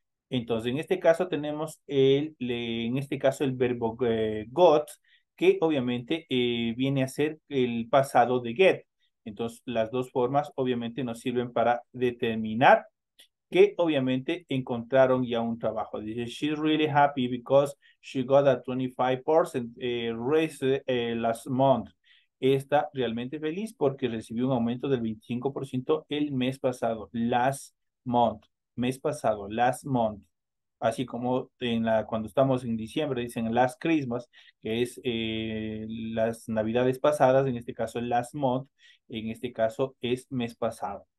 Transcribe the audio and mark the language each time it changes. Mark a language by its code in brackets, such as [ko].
[es] Entonces, en este caso tenemos en este caso el verbo got, que obviamente viene a ser el pasado de get. Entonces, las dos formas obviamente nos sirven para determinar que obviamente encontraron ya un trabajo. [en] Dice, she's really happy because she got a 25% raise last month. [es] Está realmente feliz porque recibió un aumento del 25% el mes pasado, last month. Mes pasado, last month. Así como cuando estamos en diciembre, dicen last Christmas, que es las navidades pasadas, en este caso last month, en este caso es mes pasado.